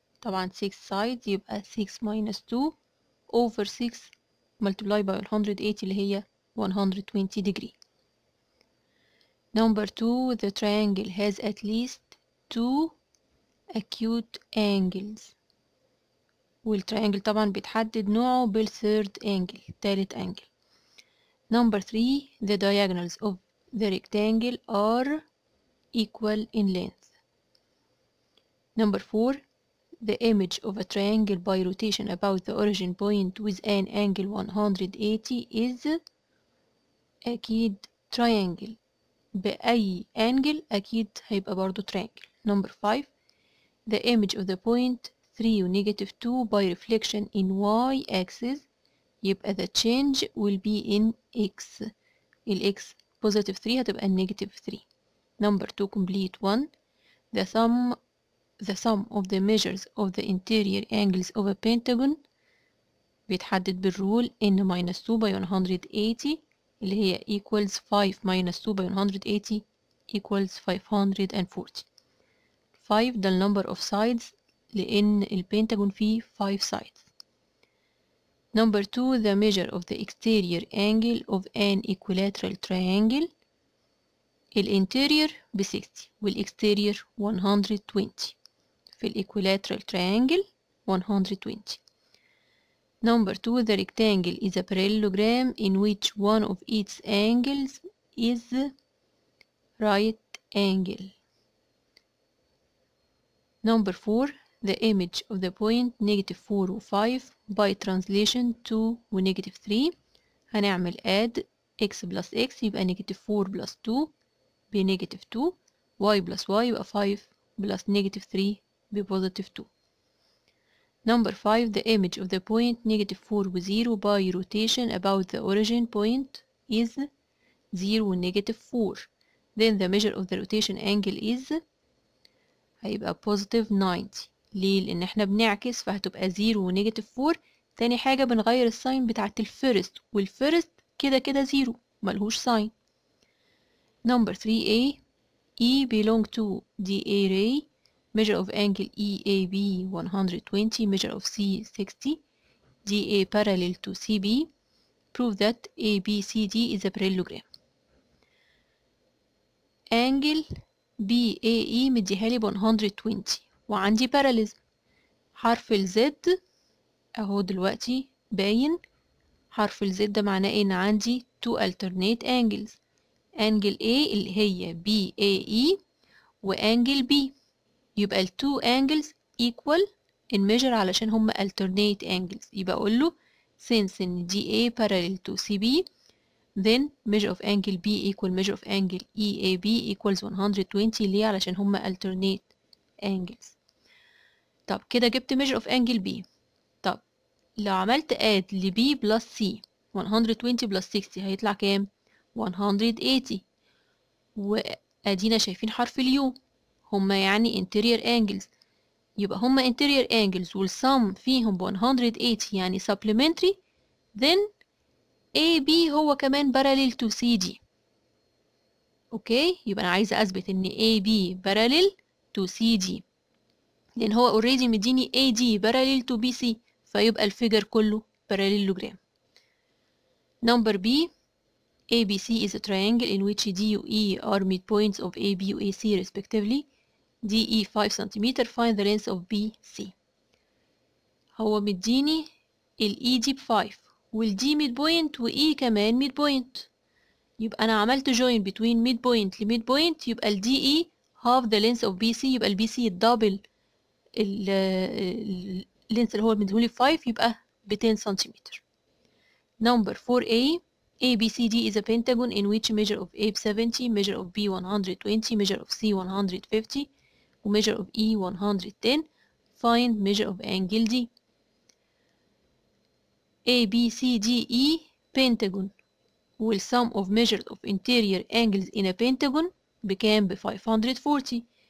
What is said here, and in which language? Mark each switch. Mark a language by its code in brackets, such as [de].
[ar] طبعا [en] 6 sides يبقى 6 minus 2 over 6 multiplied by 180 [ar] اللي هي [en] 120 degree. Number 2, the triangle has at least 2 acute angles. [ar] والتريانجل طبعا بيتحدد نوعه بالثيرد انجل، تالت انجل. [en] Number 3, the diagonals of the rectangle are equal in length. Number 4, the image of a triangle by rotation about the origin point with an angle 180 is [ar] أكيد تريانجل. بأي angle أكيد هيبقى برضو triangle. [en] Number 5, the image of the point 3 و negative 2 by reflection in y axis [ar] يبقى [en] the change will be in x. ال x positive 3 هتبقى negative 3. Number 2, complete 1, the sum of the measures of the interior angles of a pentagon [ar] بيتحدد بالرول [en] n minus 2 by 180 [ar] اللي هي [en] equals 5 minus 2 by 180 equals 540. 5 the number of sides [ar] لأن البنتاجون فيه [en] 5 sides. Number 2 the measure of the exterior angle of an equilateral triangle. [ar] الانتيرير ب 60 والاكستيرير 120 في الاكولاترال triangle 120. [en] Number 2, the rectangle is a parallelogram in which one of its angles is right angle. Number 4, the image of the point negative 4 or 5 by translation 2 و negative 3. [ar] هنعمل [en] add x plus x [ar] يبقى [en] negative 4 plus 2 ب negative 2. Y plus y يبقى 5 plus negative 3 ب positive 2. Number 5, the image of the point negative 4 و 0 by rotation about the origin point is 0 negative 4. Then the measure of the rotation angle is [ar] هيبقى [en] positive 90. [ar] ليه؟ لأن احنا بنعكس فهتبقى 0 negative 4. تاني حاجة بنغير الساين بتاعت الفيرست والفيرست كده كده 0 ملهوش ساين. [en] Number 3a, E belong to DA ray. Measure of angle EAB 120, measure of C 60, DA parallel to CB. Prove that ABCD is a parallelogram. [ar] Angle BAE مديهالي 120 وعندي parallelism. حرف الزد اهو دلوقتي باين. حرف الزد ده معناه ان عندي [en] two alternate angles. Angle A اللي هي BAE وangle B. يبقى الـ two angles equal in measure [ar] علشان هم [en] alternate angles. [ar] يبقى أقول له [en] since إن DA parallel to CB then measure of angle B equal measure of angle EAB equals 120. [ar] ليه؟ علشان هم alternate angles. [en] طب كده جبت measure of angle B. [ar] طب لو عملت add لـ B plus C 120 plus 60 هيطلع كام؟ 180. وأدينا شايفين حرف الـ U هما يعني interior angles. يبقى هما [en] interior angles [ar] والسم فيهم 180 يعني supplementary. [en] then AB [ar] هو كمان [en] parallel to CD. [ar] اوكي يبقى انا عايزة اثبت ان AB [en] parallel to CD [ar] لان هو already مديني AD parallel to BC فيبقى الفيجر كله parallelogram. [en] number B, ABC is a triangle in which D و E are midpoints of AB و AC respectively. DE 5 cm, find the length of BC. [ar] هو مديني ال ED 5 وال D midpoint و E كمان midpoint. يبقى أنا عملت join between midpoint ل midpoint يبقى ال DE [en] half the length of BC [ar] يبقى ال BC الدبل ال length اللي هو مديهولي 5 يبقى ب 10 cm. [en] Number 4A, ABCD is a pentagon in which measure of AB 70, measure of B 120, measure of C 150 measure of E 110, find measure of angle D. A, B, C, D, E, pentagon. Will sum of measures of interior angles in a pentagon became 540.